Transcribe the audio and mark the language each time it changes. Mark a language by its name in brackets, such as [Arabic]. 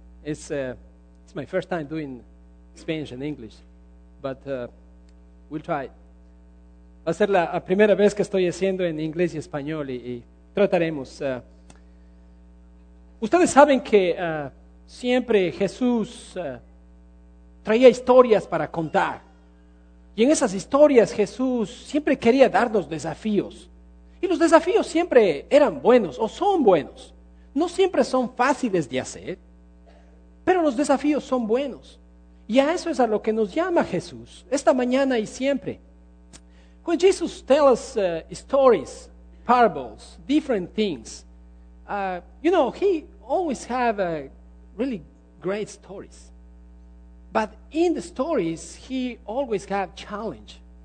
[English] It's my first time doing Spanish and English, but we'll try. [Spanish] Va a ser la primera vez que estoy haciendo en inglés y español y trataremos. Ustedes saben que siempre Jesús traía historias para contar. Y en esas historias Jesús siempre quería darnos desafíos. Y los desafíos siempre eran buenos o son buenos. No siempre son fáciles de hacer, pero los desafíos son buenos. Y a eso es a lo que nos llama Jesús, esta mañana y siempre. [English] When Jesus tells us stories, parables, different things, you know, he always have really great stories. But in the stories, he always have challenge.